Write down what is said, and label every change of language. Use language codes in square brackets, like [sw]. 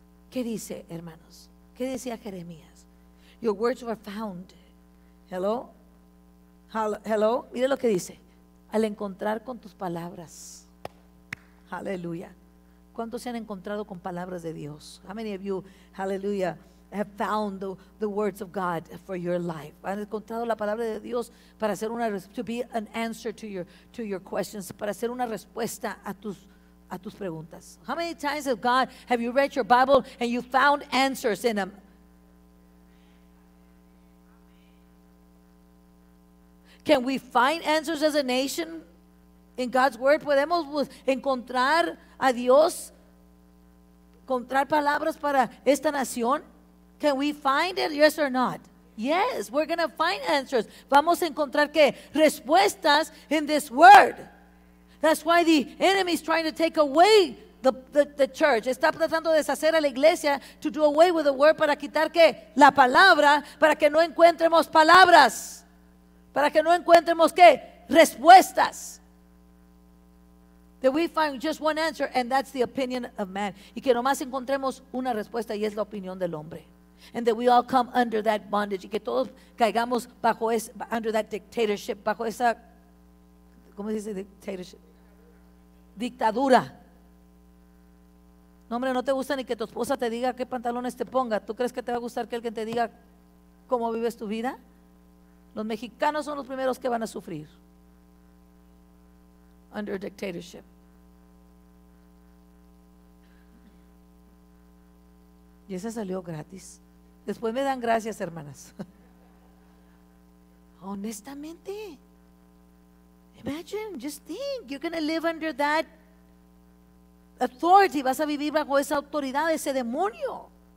[es] ¿Qué dice, hermanos? ¿Qué decía Jeremías? [en] Your words were found. [es] Hello? Hello? Mire lo que dice. Al encontrar con tus palabras. Aleluya. ¿Cuántos se han encontrado con palabras de Dios? [en] How many of you, hallelujah, have found the words of God for your life? ¿Han encontrado la palabra de Dios para hacer una, to be an answer to your questions, para hacer una respuesta a tus preguntas? How many times have God, have you read your Bible and you found answers in them? Can we find answers as a nation in God's word? [es] ¿Podemos encontrar a Dios, encontrar palabras para esta nación? [en] Can we find it, yes or not? Yes, we're going to find answers. [es] Vamos a encontrar qué? Respuestas [en] in this word. That's why the enemy is trying to take away the church. [es] Está tratando de deshacer a la iglesia, [en] to do away with the word, [es] para quitar qué? La palabra, para que no encuentremos palabras. Para que no encuentremos qué? Respuestas. [en] That we find just one answer and that's the opinion of man. [es] Y que nomás encontremos una respuesta y es la opinión del hombre. [en] And that we all come under that bondage. [es] Y que todos caigamos bajo ese, [en] under that dictatorship, [es] bajo esa ¿cómo se dice dictatorship? Dictadura. No, hombre, no te gusta ni que tu esposa te diga qué pantalones te ponga. ¿Tú crees que te va a gustar que alguien te diga cómo vives tu vida? Los mexicanos son los primeros que van a sufrir. [en] Under dictatorship. [es] Y esa salió gratis. Después me dan gracias, hermanas. Honestamente. [en] Imagine, just think, you're going to live under that authority. [es] Vas a vivir bajo esa autoridad, ese demonio.